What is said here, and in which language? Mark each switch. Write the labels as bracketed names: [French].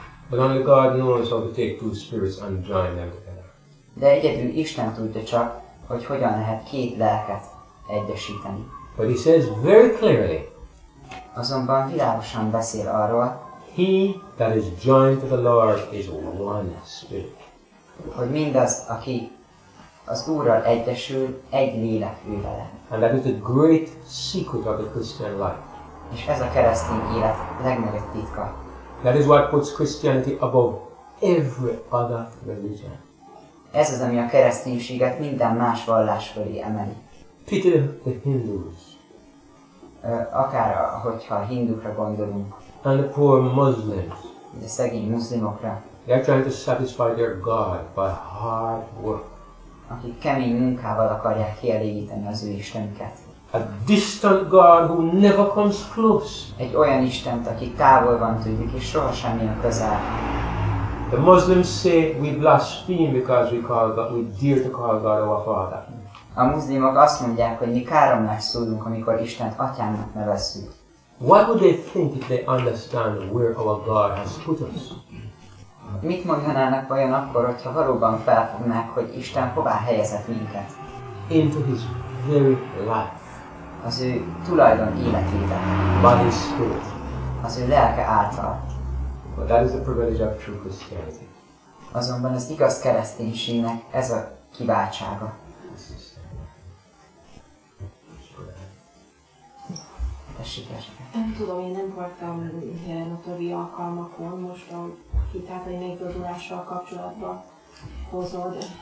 [English] But only God knows how to take two spirits and join them together. [Hungarian] De egyedül Isten tudja csak, hogy hogyan lehet két lelket egyesíteni. [English] But he says very clearly. [Hungarian] Azonban világosan beszél arról, [English] he that is joined to the Lord is one spirit. [Hungarian] Hogy mindaz, aki az Úrral egyesül, egy lélek ő vele. [English] And that is the great secret of the Christian life. [Hungarian] És ez a keresztény élet legnagyobb titka. [English] That is what puts Christianity above every other religion. [Hungarian] Ez az, ami a kereszténységet minden más vallás fölé emeli. [English] Pity the Hindus. [Hungarian] Akár, hogyha a hindukra gondolunk. [English] And the poor Muslims. [Hungarian] De szegény muszlimokra. [English] They are trying to satisfy their God by hard work. [Hungarian] Akik kemény munkával akarják kielégíteni az ő istenüket. [English] A distant God who never comes close. [Hungarian] Egy olyan istent, aki távol van tőlük, és sohasem jön közel. [English] The Muslims say we blaspheme because we call God, we dare to call God our Father. [Hungarian] A muszlimok azt mondják, hogy mi káromlás szólunk, amikor Istent atyának nevezzük. [English] What would they think if they understand where our God has put us? [Hungarian] Mit mondanának vajon akkor, hogyha valóban felfognák, hogy Isten hová helyezett minket? [English] Into his very life. [Hungarian] Az ő tulajdon életében. [English] By his spirit. [Hungarian] Az ő lelke által. [English] But that is the privilege of true Christianity. [Hungarian] Azonban az igaz kereszténységnek ez a kiváltsága. Nem tudom, én nem voltam ilyen utóbbi alkalmakon, most a hit általi megigazulással kapcsolatban hozod.